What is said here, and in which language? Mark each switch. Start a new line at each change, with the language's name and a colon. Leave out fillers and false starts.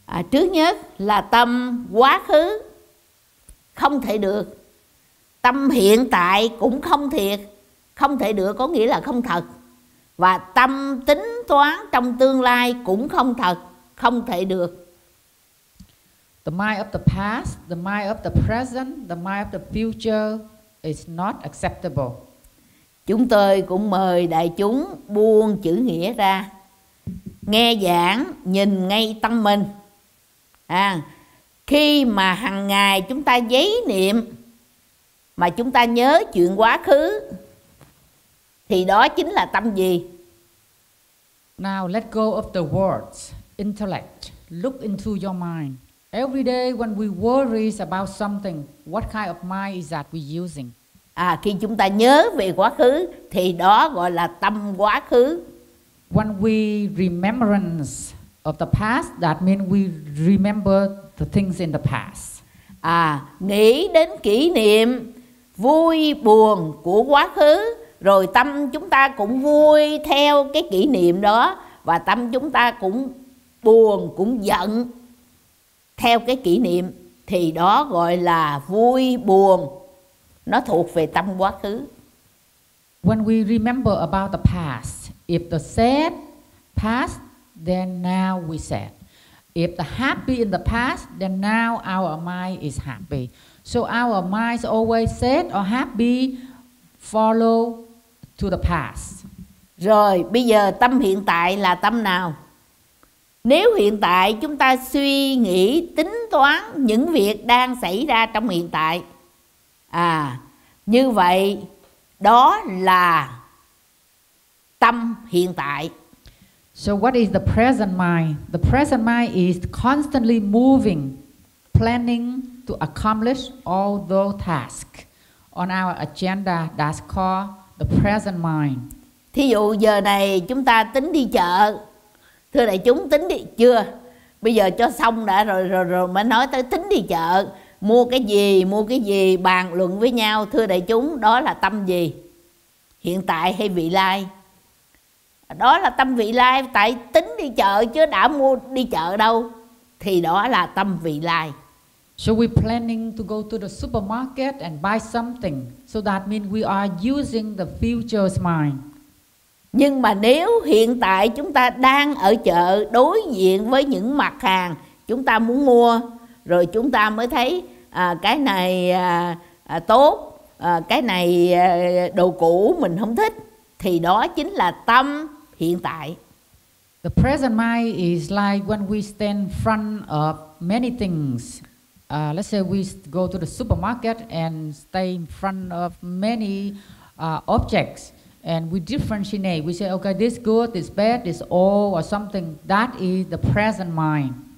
Vietnamese: Trước nhất là tâm quá khứ không thể được, tâm hiện tại cũng không thiệt, không thể được có nghĩa là không thật, và tâm tính toán trong tương lai cũng không thật, không thể được.
English: The mind of the past, the mind of the present, the mind of the future is not acceptable.
Vietnamese: Chúng tôi cũng mời đại chúng buông chữ nghĩa ra, nghe giảng nhìn ngay tâm mình. Khi mà hằng ngày chúng ta dấy niệm mà chúng ta nhớ chuyện quá khứ thì đó chính là tâm gì?
English: Now let go of the words, intellect. Look into your mind. Every day when we worry about something, what kind of mind is that we're using?
Vietnamese: Khi chúng ta nhớ về quá khứ thì đó gọi là tâm quá khứ.
English: When we remembrance of the past, that means we remember the things in the past.
Vietnamese: Nghĩ đến kỷ niệm vui buồn của quá khứ, rồi tâm chúng ta cũng vui theo cái kỷ niệm đó, và tâm chúng ta cũng buồn, cũng giận theo cái kỷ niệm, thì đó gọi là vui buồn, nó thuộc về tâm quá khứ.
English: When we remember about the past, if the sad past, then now we sad. If the happy in the past, then now our mind is happy. So our mind is always sad or happy, follow to the past.
Vietnamese: Rồi, bây giờ tâm hiện tại là tâm nào? Nếu hiện tại chúng ta suy nghĩ tính toán những việc đang xảy ra trong hiện tại, à, như vậy đó là tâm hiện tại.
English: So what is the present mind? The present mind is constantly moving, planning to accomplish all those tasks on our agenda that's called the present mind.
Vietnamese: Thí dụ giờ này chúng ta tính đi chợ. Thưa đại chúng, tính đi chưa? Bây giờ cho xong đã rồi mới nói tới tính đi chợ, mua cái gì, bàn luận với nhau. Thưa đại chúng, đó là tâm gì? Hiện tại hay vị lai? Đó là tâm vị lai, tại tính đi chợ chứ đã mua đi chợ đâu. Thì đó là tâm vị lai.
English: So we planning to go to the supermarket and buy something. So that means we are using the future's mind.
Vietnamese: Nhưng mà nếu hiện tại chúng ta đang ở chợ đối diện với những mặt hàng chúng ta muốn mua, rồi chúng ta mới thấy cái này tốt, cái này đồ cũ mình không thích, thì đó chính là tâm hiện tại.
English: The present mind is like when we stand in front of many things. Let's say we go to the supermarket and stay in front of many objects. And we differentiate, we say, okay, this good, this bad, this old, or something, that is the present mind.